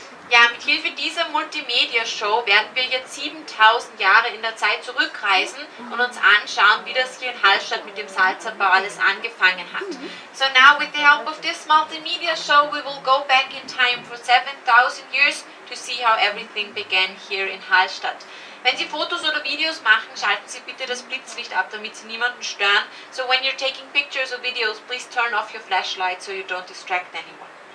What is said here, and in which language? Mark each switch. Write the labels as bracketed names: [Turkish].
[German] Ja, mit Hilfe dieser Multimedia-Show werden wir jetzt 7000 Jahre in der Zeit zurückreisen und uns anschauen, wie das hier in Hallstatt mit dem Salzabbau alles angefangen hat. [English] So now with the help of this Multimedia-Show we will go back in time for 7000 years to see how everything began here in Hallstatt. [German] Wenn Sie Fotos oder Videos machen, schalten Sie bitte das Blitzlicht ab, damit Sie niemanden stören. [English] So when you're taking pictures or videos, please turn off your flashlight so you don't distract anyone.